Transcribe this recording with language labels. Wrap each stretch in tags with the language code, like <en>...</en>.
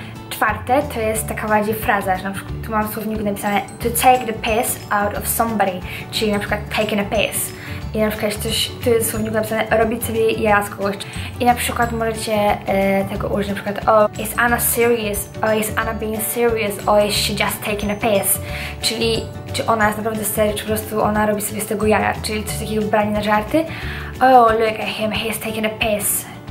<pl>Czwarte to jest taka bardziej fraza, że na przykład tu mam w słowniku napisane</pl> <en>to take the piss out of somebody,</en> <pl>czyli na przykład</pl> <en>taking a piss.</en> <pl>I na przykład coś, tu jest w słowniku napisane robić sobie jaja z kogoś. I na przykład możecie tego użyć, na przykład</pl> <en>is Anna serious? Oh, is Anna being serious? Or is she just taking a piss?</en> <pl>Czyli czy ona jest naprawdę serio, czy po prostu ona robi sobie z tego jaja, czyli coś takiego branie na żarty.</pl> <en>Oh, look at him, he's taking a piss.</en>